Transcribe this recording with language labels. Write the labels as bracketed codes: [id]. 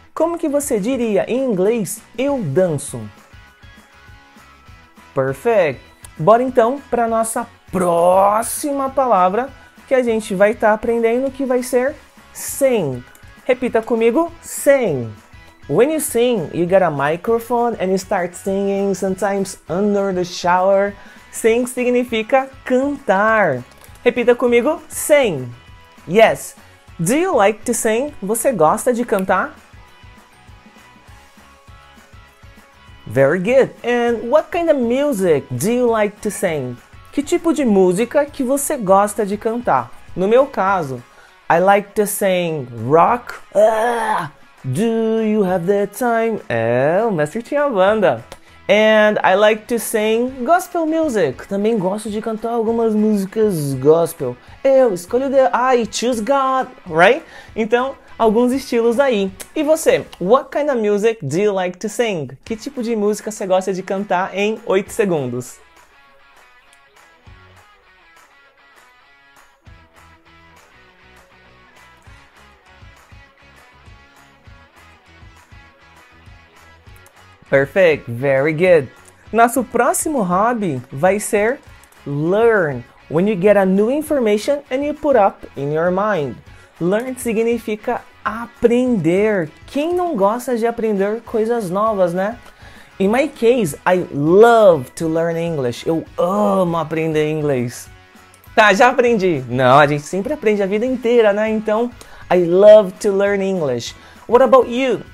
[pt] Como que você diria em inglês, eu danço? Perfect. Bora então para a nossa próxima palavra que a gente vai estar aprendendo, que vai ser sing. Repita comigo, sing. [en] When you sing, you get a microphone and you start singing, sometimes under the shower. [pt] Sing significa cantar. Repita comigo, sing. Yes. [en] Do you like to sing? [pt] Você gosta de cantar? [en] Very good. And what kind of music do you like to sing? [pt] Que tipo de música que você gosta de cantar? No meu caso, [en] I like to sing rock. Do you have the time? [pt] É, o mestre tinha banda. [en] And I like to sing gospel music. [pt] Também gosto de cantar algumas músicas gospel. Eu escolho the, [en] I choose God, right? [pt] Então, alguns estilos aí. E você? [en] What kind of music do you like to sing? [pt] Que tipo de música você gosta de cantar em 8 segundos? [en] Perfect, very good. [pt] Nosso próximo hobby vai ser learn. [en] When you get a new information and you put up in your mind. [pt] Learn significa aprender. Quem não gosta de aprender coisas novas, né? [en] In my case, I love to learn English. [pt] Eu amo aprender inglês. Tá, já aprendi. Não, a gente sempre aprende a vida inteira, né? Então, [en] I love to learn English. What about you?